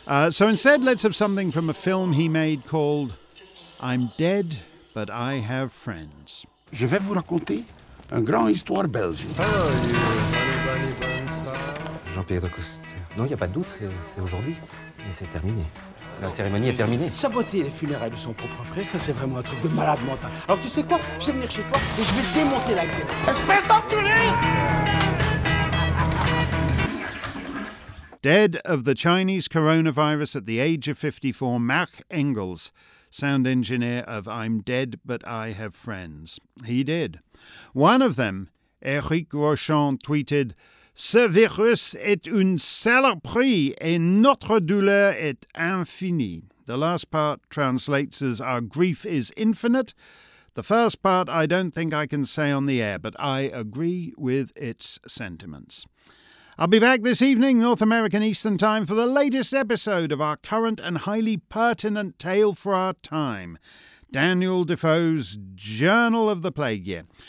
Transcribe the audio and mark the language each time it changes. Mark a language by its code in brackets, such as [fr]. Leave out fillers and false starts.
[en] So instead, let's have something from a film he made called I'm Dead, But I Have Friends. [fr] Je vais vous raconter une grande histoire belge. Jean-Pierre de Coste. Non, il n'y a pas de doute, c'est aujourd'hui. Et c'est terminé. La cérémonie est terminée. Saboter les funérailles de son propre frère, ça c'est vraiment un truc de malade mental. Alors tu sais quoi? Je vais venir chez toi et je vais démonter la gueule. Espèce d'enculé! [en] Dead of the Chinese coronavirus at the age of 54, Marc Engels, sound engineer of I'm Dead But I Have Friends. He did. One of them, Eric Rochon, tweeted, [fr] Ce virus est une saloperie et notre douleur est infinie. [en] The last part translates as our grief is infinite. The first part I don't think I can say on the air, but I agree with its sentiments. I'll be back this evening, North American Eastern Time, for the latest episode of our current and highly pertinent tale for our time, Daniel Defoe's Journal of the Plague Year.